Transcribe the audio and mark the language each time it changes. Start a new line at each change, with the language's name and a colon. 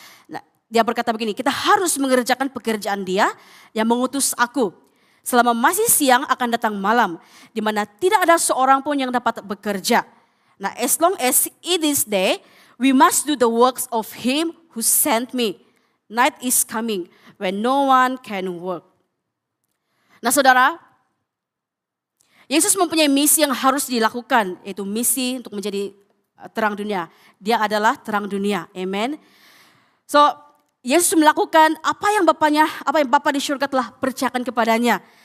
Malay: Nah, dia berkata begini, kita harus mengerjakan pekerjaan Dia yang mengutus aku. Selama masih siang akan datang malam, di mana tidak ada seorang pun yang dapat bekerja.
English: Nah, as long as it is day, we must do the works of Him who sent me. Night is coming when no one can work.
Malay: Nah, saudara, Yesus mempunyai misi yang harus dilakukan, yaitu misi untuk menjadi terang dunia. Dia adalah terang dunia. Amen. So, Yesus melakukan apa yang Bapanya, apa yang Bapa di surga telah percayakan kepadanya.